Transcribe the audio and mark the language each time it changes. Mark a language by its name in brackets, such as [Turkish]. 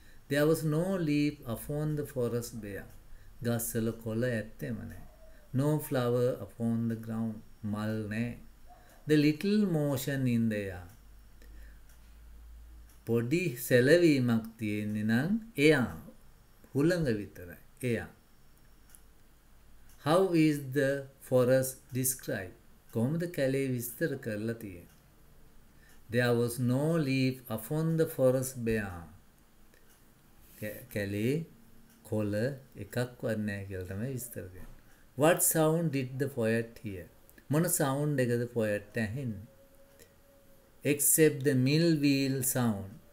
[English] There was no leaf upon the forest bare. [Sinhala] ගස්වල කොළ ඇත්තෙම නැහැ. [English] No flower upon the ground. [Sinhala] මල් නැහැ. [English] The little motion in the air. [Sinhala] පොඩි සැලවීමක් තියෙන්නේ නම් එයා හුළඟ විතරයි. එයා. [English] How is the forest described? [Sinhala] කොහොමද කැලේ විස්තර කරලා තියෙන්නේ? [English] There was no leaf upon the forest bare. [Sinhala] කැලේ කොළ එකක් වන්නේ කියල් තමයි විස්තර කරන්නේ. [English] What sound did the poet hear? [Sinhala] මොන sound එකද poet ඇහෙන්නේ? [English] Except the mill wheel sound.